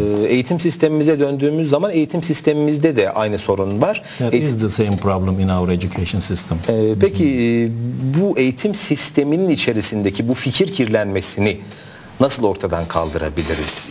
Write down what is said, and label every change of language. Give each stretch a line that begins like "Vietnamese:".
Turkish: Eğitim sistemimize döndüğümüz zaman eğitim sistemimizde de aynı sorun var.
English: Is the same problem in our education system.
Turkish: Peki bu eğitim sisteminin içerisindeki bu fikir kirlenmesini nasıl ortadan kaldırabiliriz?